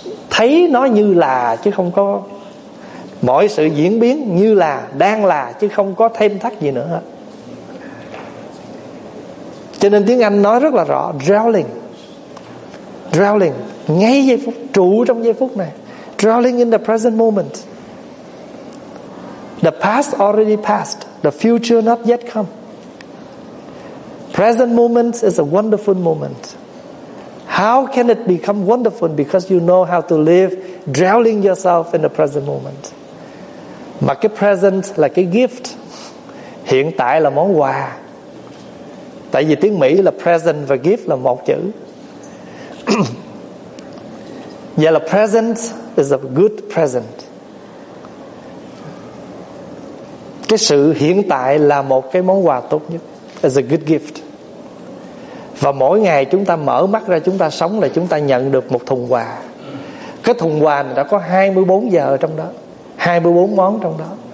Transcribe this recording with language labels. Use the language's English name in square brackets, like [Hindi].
[Vietnamese] Thấy nó như là, chứ không có. Mọi sự diễn biến như là, đang là, chứ không có thêm thắt gì nữa. Cho nên tiếng Anh nói rất là rõ, dwelling. Dwelling, ngay giây phút, trụ trong giây phút này. [English] Dwelling in the present moment. The past already passed, the future not yet come. Present moment is a wonderful moment. How can it become wonderful? Because you know how to live, drowning yourself in the present moment. [Vietnamese] Mà cái present là cái gift, hiện tại là món quà. Tại vì tiếng Mỹ là present và gift là một chữ. [English] Yeah, the present is a good present. [Vietnamese] Cái sự hiện tại là một cái món quà tốt nhất, [English] is a good gift. [Vietnamese] Và mỗi ngày chúng ta mở mắt ra, chúng ta sống là chúng ta nhận được một thùng quà. Cái thùng quà này đã có 24 giờ ở trong đó, 24 món trong đó.